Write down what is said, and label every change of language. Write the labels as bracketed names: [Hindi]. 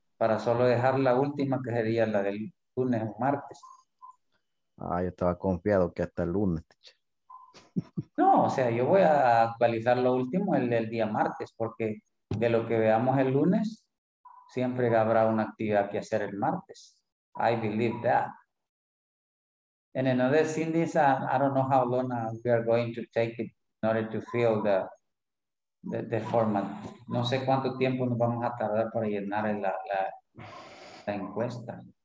[Spanish] Para solo dejar la última, que sería la del lunes o martes. Ah, yo estaba confiado que hasta el lunes. No, o sea, yo voy a actualizar lo último el día martes, porque de lo que veamos el lunes, siempre habrá una actividad que hacer el martes. [English] I believe that. And in other things, I don't know how long we are going to take it in order to fill the format. [Spanish] No sé cuánto tiempo nos vamos a tardar para llenar la encuesta.